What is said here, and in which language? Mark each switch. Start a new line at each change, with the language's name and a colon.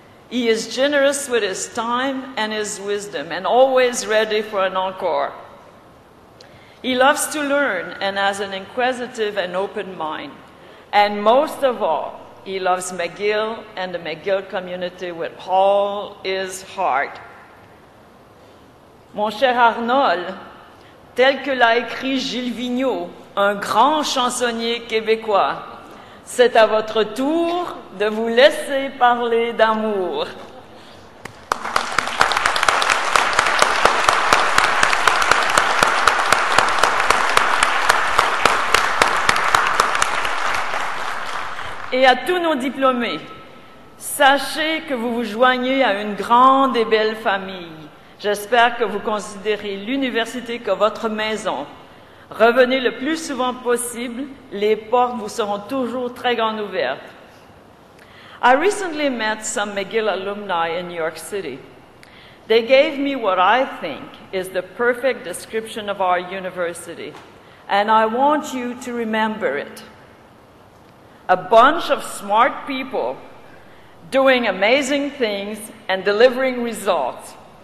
English: He is generous with his time and his wisdom and always ready for an encore. He loves to learn and has an inquisitive and open mind. And most of all, he loves McGill and the McGill community with all his heart.
French: Mon cher Arnold, tel que l'a écrit Gilles Vigneault, un grand chansonnier québécois, c'est à votre tour de vous laisser parler d'amour. Et à tous nos diplômés, sachez que vous vous joignez à une grande et belle famille. J'espère que vous considérez l'université comme votre maison. Revenez le plus souvent possible, les portes vous seront toujours très grandes ouvertes.
English: I recently met some McGill alumni in New York City. They gave me what I think is the perfect description of our university, and I want you to remember it. A bunch of smart people doing amazing things and delivering results.